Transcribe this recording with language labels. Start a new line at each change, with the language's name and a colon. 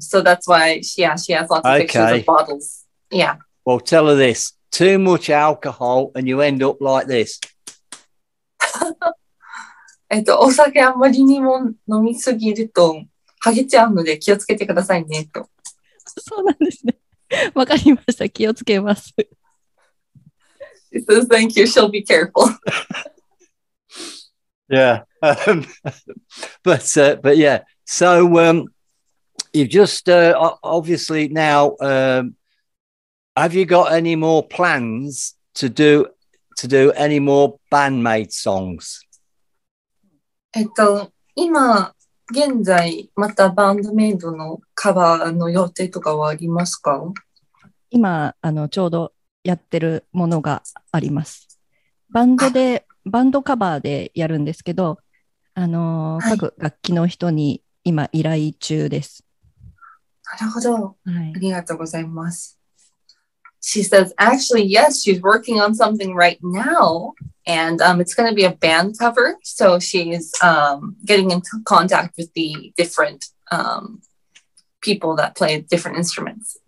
English: So that's why she has lots of pictures of bottles. Yeah. Well, tell her this. Too much alcohol and you end up like this.
Japanese: お酒あまりにも飲みすぎると、ハゲちゃうので気をつけてくださいね、と。そうなんですね。わかりました。気をつけます。
English: She says, thank you. She'll be careful. Yeah, but yeah. So you've just obviously now. Have you got any more plans to do any more bandmate songs?
Japanese: 今現在またバンドメイドのカバーの予定とかはありますか？今あのちょうどやってるものがあります。バンドで。バンドカバーでやるんですけど、はい、各楽器の人に今依頼中です。なるほど。はい、ありがとうございます。
English: She says, actually, yes, she's working on something right now, and it's going to be a band cover. So she's getting into contact with the different people that play different instruments.